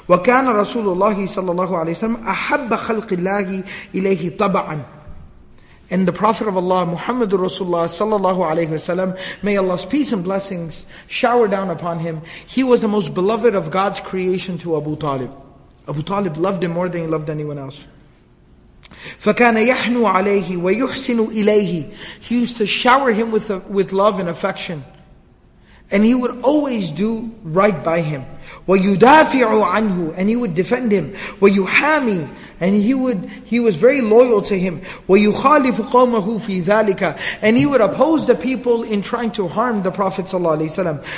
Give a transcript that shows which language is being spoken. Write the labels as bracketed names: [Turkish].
[Arabic] وكان رسول الله صلى الله عليه وسلم أحب خلق الله إليه طبعا. [English] And the Prophet of Allah, Muhammad Rasulullah صلى الله عليه وسلم, may Allah's peace and blessings shower down upon him, he was the most beloved of God's creation to Abu Talib. Abu Talib loved him more than he loved anyone else. [Arabic] فكان يحنو عليه ويحسن إليه. [English] He used to shower him with love and affection. And he would always do right by him. [Arabic] وَيُدَافِعُ عَنْهُ [English] And he would defend him. [Arabic] وَيُحَامِي [English] And he was very loyal to him. [Arabic] وَيُخَالِفُ قَوْمَهُ فِي ذَلِكَ [English] And he would oppose the people in trying to harm the Prophet ﷺ.